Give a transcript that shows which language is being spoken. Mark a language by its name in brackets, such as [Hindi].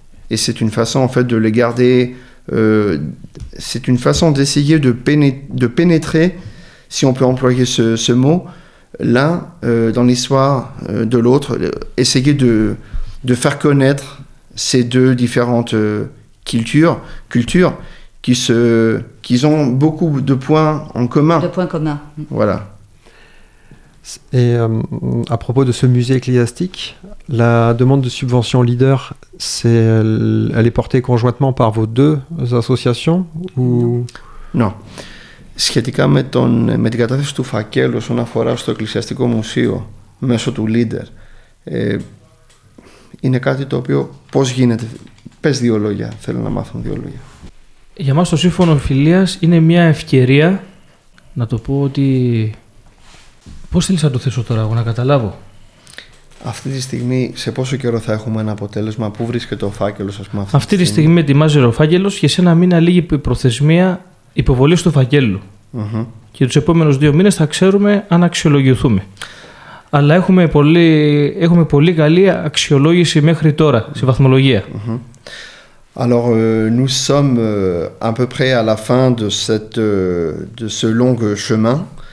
[French] Et c'est une façon, en fait, de les garder... c'est une façon d'essayer de pénétrer, si on peut employer ce mot, l'un dans l'histoire de l'autre, essayer de faire connaître ces deux différentes cultures qui ont beaucoup de points en commun. De points communs. Voilà. Et à propos de ce musée ecclésiastique, la demande de subvention Leader, elle est portée conjointement par vos deux associations ou... Non. [Greek] Σχετικά με την κατάθεση του φακέλου όσον αφορά στο Εκκλησιαστικό Μουσείο μέσω του Leader, είναι κάτι το οποίο πώς γίνεται. Πες δύο λόγια, θέλω να μάθω δύο λόγια. Για μας το Σύμφωνο Φιλίας είναι μια ευκαιρία να το πω ότι... Πώς θέλεις να το θέσω τώρα, εγώ να καταλάβω. Αυτή τη στιγμή, σε πόσο καιρό θα έχουμε ένα αποτέλεσμα, πού βρίσκεται ο φάκελος, ας πούμε, αυτή τη στιγμή ετοιμάζει ο φάκελος και σε ένα μήνα λίγη προθεσμία υποβολής του φακέλου. Mm-hmm. Και τους επόμενους δύο μήνες θα ξέρουμε αν αξιολογηθούμε. Αλλά έχουμε πολύ καλή αξιολόγηση μέχρι τώρα, σε βαθμολογία. Mm-hmm. [French] Alors, nous sommes à peu près à la fin de ce long chemin.